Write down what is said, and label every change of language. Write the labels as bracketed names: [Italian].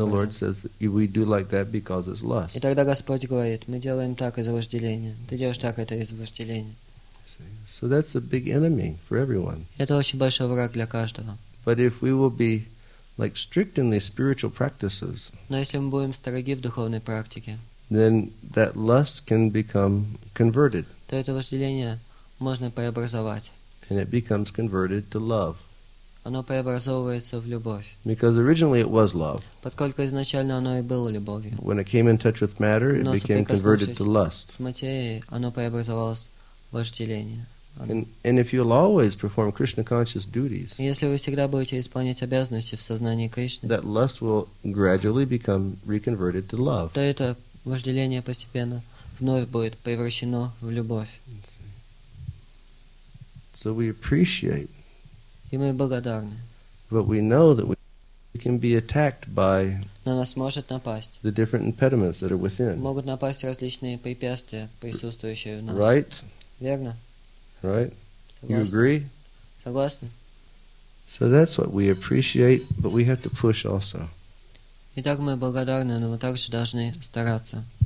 [English] And the Lord says, "We do like that because it's lust." [Russian] И тогда Господь говорит: "Мы делаем так из-за вожделения. Ты делаешь так это из-за вожделения." [English] So that's a big enemy for everyone. [Russian] Это очень большой враг для каждого. [English] But if we will be like strict in these spiritual practices, [Russian] но если мы будем строги в духовной практике, [English] then that lust can become converted. [Russian] То это вожделение можно преобразовать. [English] And it becomes converted to love. [Russian] Оно преобразовывается в любовь. [English] Because originally it was love. [Russian] Поскольку изначально оно и было любовью. [English] When it came in touch with matter, it became converted to lust. [Russian] С материей оно преобразовалось в вожделение. [English] And if you'll always perform Krishna conscious duties, [Russian] если вы всегда будете исполнять обязанности в сознании Кришны, [English] that lust will gradually become reconverted to love. [Russian] То это вожделение постепенно вновь будет превращено в любовь. [English] So we appreciate. [Russian] И мы благодарны. [English] But we know that we can be attacked by. [Russian] На нас может напасть. [English] The different impediments that are within. [Russian] Могут напасть различные препятствия, присутствующие в нас. [English] Right. [Russian] Верно. [English] Right? You agree? [Russian] Согласен. [English] So that's what we appreciate, but we have to push also. [Russian] Итак, мы благодарны, но мы также должны стараться.